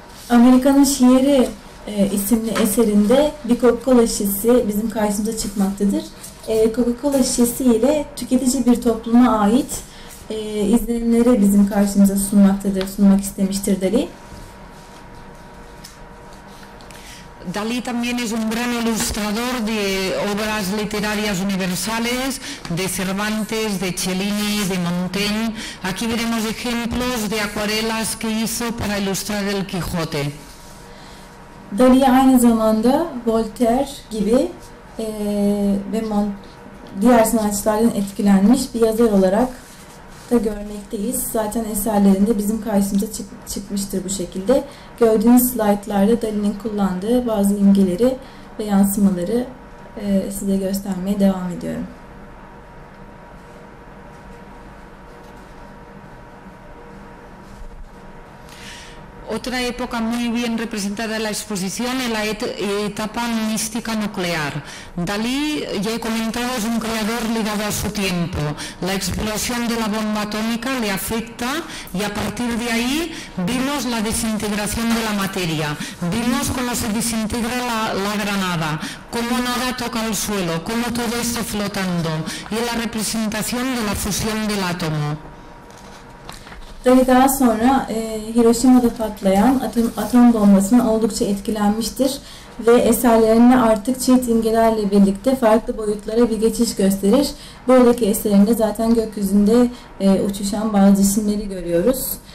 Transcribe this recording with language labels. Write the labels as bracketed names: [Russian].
[Turkish] Amerika'nın şiiri isimli eserinde bir Coca-Cola şişesi bizim karşımıza çıkmaktadır. Coca-Cola şişesi ile tüketici bir topluma ait izlenimleri bizim karşımıza sunmak istemiştir Dalí. [Spanish] Dalí también es un gran ilustrador de obras literarias universales, de Cervantes, de Cellini, de Montaigne. Aquí veremos ejemplos de acuarelas que hizo para ilustrar el Quijote. [Turkish] Dalí aynı zamanda Voltaire gibi ve diğer sanatçılardan etkilenmiş bir yazar olarak da görmekteyiz. Zaten eserlerinde bizim karşımıza çıkmıştır bu şekilde. Gördüğünüz slaytlarda Dalí'nin kullandığı bazı imgeleri ve yansımaları size göstermeye devam ediyorum. [Spanish] Otra época muy bien representada en la exposición es la etapa mística nuclear. Dalí, ya he comentado, es un creador ligado a su tiempo. La explosión de la bomba atómica le afecta y a partir de ahí vimos la desintegración de la materia. Vimos cómo se desintegra la granada, cómo nada toca el suelo, cómo todo está flotando. Y la representación de la fusión del átomo. [Turkish] Dalí daha sonra Hiroşima'da patlayan atom bombasına oldukça etkilenmiştir ve eserlerinde artık çift imgelerle birlikte farklı boyutlara bir geçiş gösterir. Buradaki eserinde zaten gökyüzünde uçuşan bazı cisimleri görüyoruz.